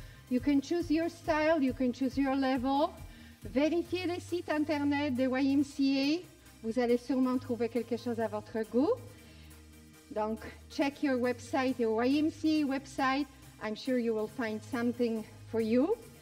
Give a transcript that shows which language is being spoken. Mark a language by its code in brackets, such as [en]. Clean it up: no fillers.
[en] You can choose your style, you can choose your level. [fr] Vérifiez le site internet de YMCA. Vous allez sûrement trouver quelque chose à votre goût. [en] Donc, check your website, your YMCA website. I'm sure you will find something for you.